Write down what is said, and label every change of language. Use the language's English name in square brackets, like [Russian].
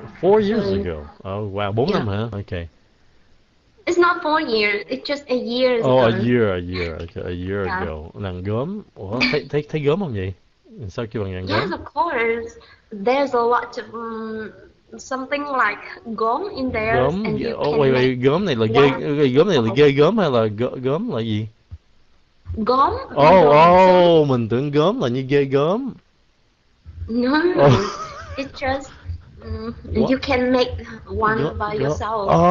[English] 4 years ago? Oh, wow. [Vietnamese] 4 năm, [English] huh? Okay. It's not 4 years. It's just a year ago. Oh, a year. Okay, a year ago. [Vietnamese] Làng Gốm. Thấy gốm không vậy? Sao kêu bằng làng gốm? [English] Yes, of course. There's a lot of something like gốm in there. [Vietnamese] Gốm? [English] And you [Vietnamese] gốm này là ghê, gốm này là ghê gốm hay là gốm là gì? Gốm? Mình tưởng gốm là như ghê gốm. [English] No, it's just you can make one by yourself.